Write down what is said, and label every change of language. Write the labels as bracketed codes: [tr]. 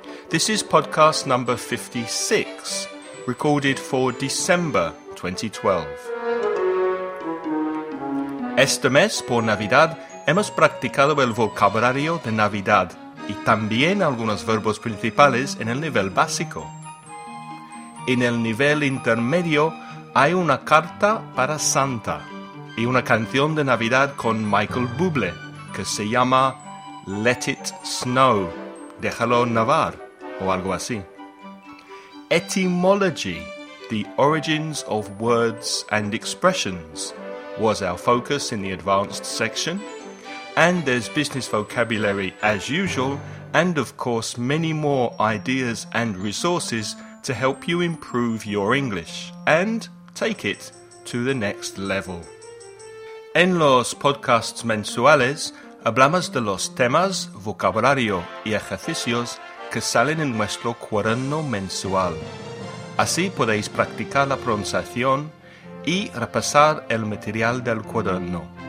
[en] This is podcast number 56, recorded for December 2012. [es] Este mes, por Navidad, hemos practicado el vocabulario de Navidad y también algunos verbos principales en el nivel básico. En el nivel intermedio hay una carta para Santa y una canción de Navidad con Michael Bublé que se llama Let It Snow, Déjalo Nevar, o algo así. [en] Etymology, the origins of words and expressions, was our focus in the advanced section. And there's business vocabulary as usual, and of course many more ideas and resources to help you improve your English and take it to the next level. [es] En los podcasts mensuales, hablamos de los temas, vocabulario y ejercicios que salen en nuestro cuaderno mensual. Así podéis practicar la pronunciación y repasar el material del cuaderno.